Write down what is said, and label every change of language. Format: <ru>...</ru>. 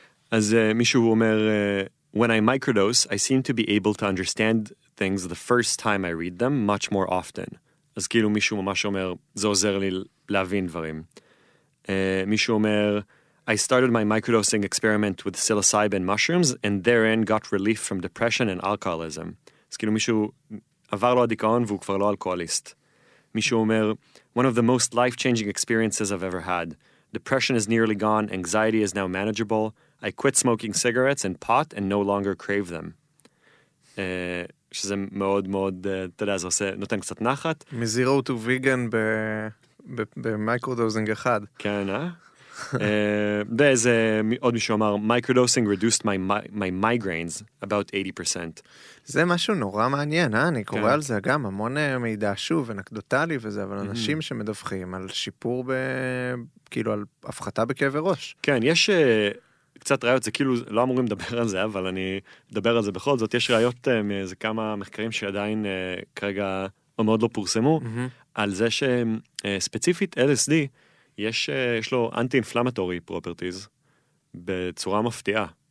<he>אז מישהו אומר,</he> <en>when I microdose, I seem to be able to understand things the first time I read them much more often.</en> <he>אז כאילו מישהו ממש אומר, זה עוזר לי להבין דברים. מישהו אומר,</he> <en>I started my microdosing experiment with psilocybin mushrooms and therein got relief from depression and alcoholism.</en> <he>אז כאילו מישהו... עבר לו הדיכאון והוא כבר לא אלכוהוליסט. מישהו אומר,</he> <en>one of the most life-changing experiences I've ever had. Depression is nearly gone, anxiety is now manageable. I quit smoking cigarettes and pot and no longer crave them.</en> <he>שזה מאוד מאוד, אתה יודע, זה עושה, נותן קצת נחת.</he> <en>מ-zero to vegan ב-microdosing אחד.</en> <he>כן, אה? ואיזה, עוד מישהו אמר,</he> <en>microdosing reduced my migraines about 80%.</en> <he>זה משהו נורא מעניין, אה? אני קורא על זה גם המון מידע שוב, אנקדוטלי וזה, אבל אנשים שמדווחים על שיפור, כאילו על הפחתה בכאב ראש. כן, יש קצת ראיות, זה כאילו, לא אמורים לדבר על זה, אבל אני אדבר על זה בכל זאת. יש ראיות מאיזה כמה מחקרים שעדיין כרגע מאוד לא פורסמו, על זה שספציפית LSD, יש לו</he> <en>אנטי-אינפלמטורי פרופרטיז,</en> <he>בצורה מפתיעה.</he>